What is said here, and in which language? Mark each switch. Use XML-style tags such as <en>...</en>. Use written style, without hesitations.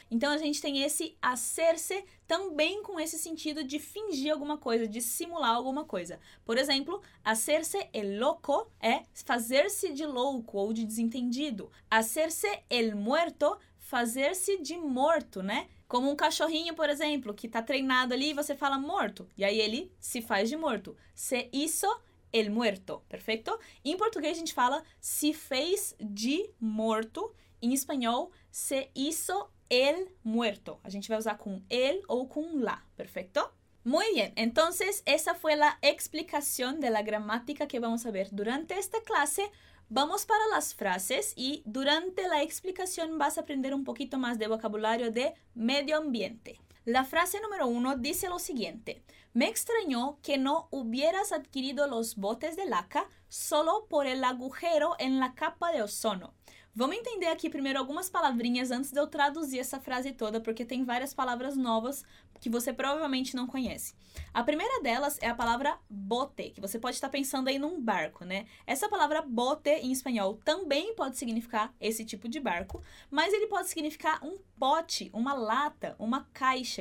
<pt>Então a gente tem esse hacerse também com esse sentido de fingir alguma coisa, de simular alguma coisa. Por exemplo,</pt> <es>hacerse el loco</es> <pt>é fazer-se de louco ou de desentendido.</pt> <es>Hacerse el muerto,</es> <pt>fazer-se de morto, né? Como um cachorrinho, por exemplo, que está treinado ali e você fala morto. E aí ele se faz de morto.</pt> <es>Se hizo el muerto,</es> <pt>perfeito? Em português a gente fala se fez de morto. Em espanhol,</pt> <es>se hizo el muerto.</es> <pt>A gente vai usar com el ou com la, perfeito?</pt> <es>Muy bien, entonces esa fue la explicación de la gramática que vamos a ver durante esta clase. Vamos para las frases y durante la explicación vas a aprender un poquito más de vocabulario de medio ambiente. La frase número uno dice lo siguiente. Me extrañó que no hubieras adquirido los botes de laca solo por el agujero en la capa de ozono.</es> <pt>Vamos entender aqui primeiro algumas palavrinhas antes de eu traduzir essa frase toda, porque tem várias palavras novas que você provavelmente não conhece. A primeira delas é a palavra bote, que você pode estar pensando aí num barco, né? Essa palavra bote, em espanhol, também pode significar esse tipo de barco, mas ele pode significar um pote, uma lata, uma caixa.</pt>